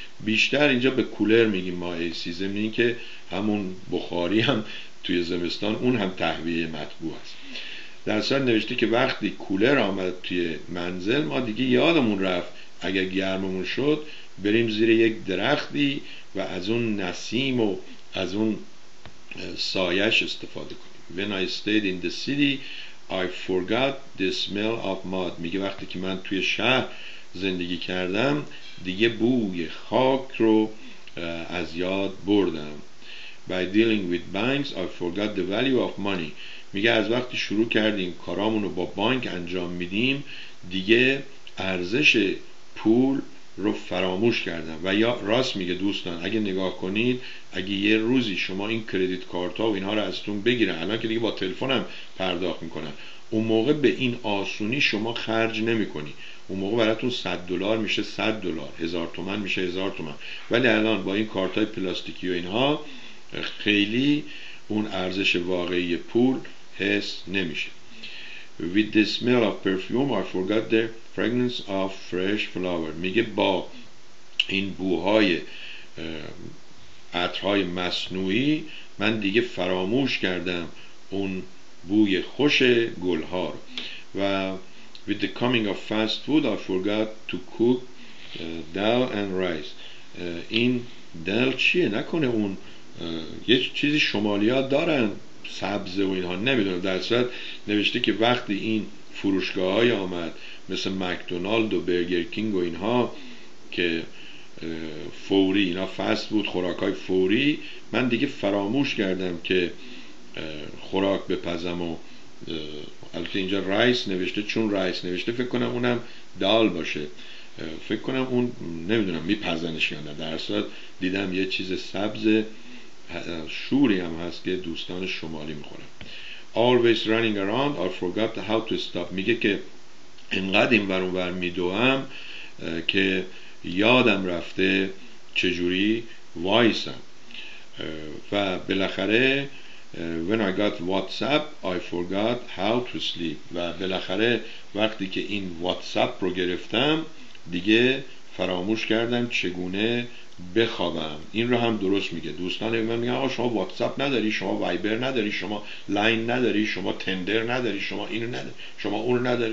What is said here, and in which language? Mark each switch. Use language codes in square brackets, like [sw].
[fa] بیشتر اینجا به کولر میگیم ما AC، زمین این که همون بخاری هم توی زمستان اون هم تهویه مطبوع است. در اصل نوشته که وقتی کولر آمد توی منزل، ما دیگه یادمون رفت اگر گرممون شد بریم زیر یک درختی و از اون نسیم و از اون سایش استفاده کنیم. [en] When I stayed in the city I forgot the smell of mud. [fa] میگه وقتی که من توی شهر زندگی کردم، دیگه بوی خاک رو از یاد بردم. [en] By dealing with banks I forgot the value of money. [fa] میگه از وقتی شروع کردیم کارامونو با بانک انجام میدیم، دیگه ارزش پول رو فراموش کردم. و یا راست میگه دوستان، اگه نگاه کنید، اگه یه روزی شما این کردیت کارت ها و اینها رو ازتون بگیرن، الان که دیگه با تلفنم پرداخت میکنن، اون موقع به این آسونی شما خرج نمیکنی. اون موقع براتون 100 دلار میشه 100 دلار، 1000 تومان میشه 1000 تومان، ولی الان با این کارت های پلاستیکی و اینها خیلی اون ارزش واقعی پول حس نمیشه. [en] With the smell of perfume I forgot the fragrance of fresh flower. [fa] میگه با این بوهای عطرهای مصنوعی، من دیگه فراموش کردم اون بوی خوش گلها رو. [en] و With the coming of fast food I forgot to cook dal and rice. [fa] این دل چیه؟ نکنه اون یه چیزی شمالی ها دارن، سبزه و اینها، نمیدونم. در صورت نوشته که وقتی این فروشگاه های آمد مثل مکدونالد و برگر کینگ و اینها که فوری اینا فست بود، خوراک های فوری، من دیگه فراموش کردم که خوراک بپزم. و البته اینجا رایس نوشته، چون رایس نوشته فکر کنم اونم دال باشه، فکر کنم اون نمیدونم میپزنش یا نه. در صورت دیدم یه چیز سبزه شوری هم هست که دوستان شمالی میخورن. [en] Always running around I forgot how to stop. [fa] میگه که انقدر این ور اون ور میدوم که یادم رفته چجوری وایسم. و بالاخره [en] when I got WhatsApp, I forgot how to sleep. [fa] و بالاخره وقتی که این WhatsApp رو گرفتم دیگه فراموش کردم چگونه بخوابم. این رو هم درست میگه. دوستان من میگن آقا شما واتساپ نداری، شما وایبر نداری، شما لاین نداری، شما تندر نداری، شما اینو نداری، شما اون نداری.